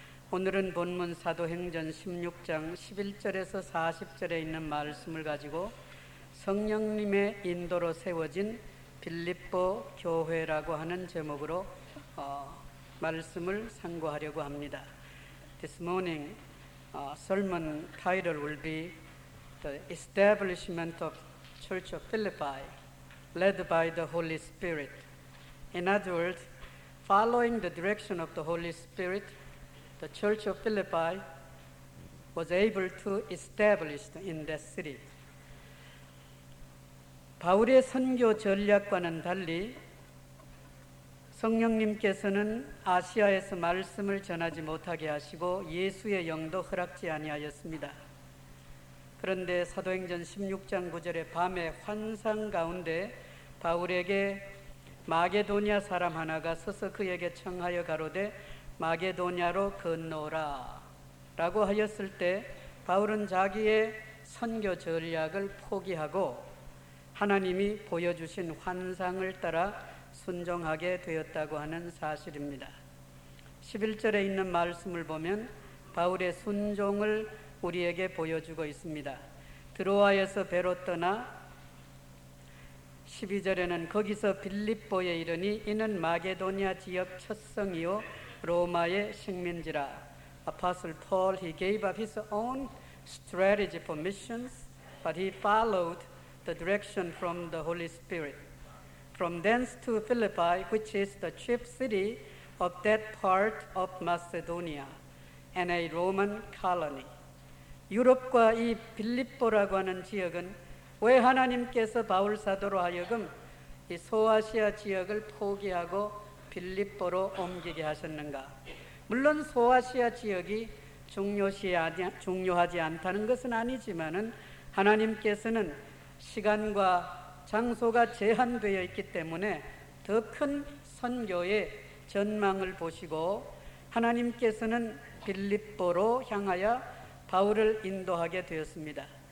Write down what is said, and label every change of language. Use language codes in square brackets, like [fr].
[ko] 오늘은 본문 사도행전 16장 11절에서 40절에 있는 말씀을 가지고 성령님의 인도로 세워진 빌립보 교회라고 하는 제목으로 말씀을 상고하려고 합니다. [en] This morning, sermon title will be The Establishment of Church of Philippi, Led by the Holy Spirit. In other words, following the direction of the Holy Spirit, the Church of Philippi was able to establish in that city. [ko] 바울의 선교 전략과는 달리 성령님께서는 아시아에서 말씀을 전하지 못하게 하시고 예수의 영도 허락지 아니하였습니다. 그런데 사도행전 16장 9절에 밤에 환상 가운데 바울에게 마게도냐 사람 하나가 서서 그에게 청하여 가로되 마게도냐로 건너오라 라고 하였을 때 바울은 자기의 선교 전략을 포기하고 하나님이 보여주신 환상을 따라 순종하게 되었다고 하는 사실입니다. 11절에 있는 말씀을 보면 바울의 순종을 우리에게 보여주고 있습니다. 드로아에서 배로 떠나 12절에는 거기서 빌립보에 이르니 이는 마게도니아 지역 첫성이요 로마의 식민지라. [en] Apostle Paul, he gave up his own strategy for missions, but he followed the direction from the Holy Spirit. From thence to Philippi, which is the chief city of that part of Macedonia and a Roman colony. [ko] 유럽과 이 빌립보라고 하는 지역은 왜 하나님께서 바울 사도로 하여금 이 소아시아 지역을 포기하고 빌립보로 옮기게 하셨는가? 물론 소아시아 지역이 중요하지 않다는 것은 아니지만은 하나님께서는 시간과 장소가 제한되어 있기 때문에 더 큰 선교의 전망을 보시고 하나님께서는 빌립보로 향하여 바울을 인도하게 되었습니다.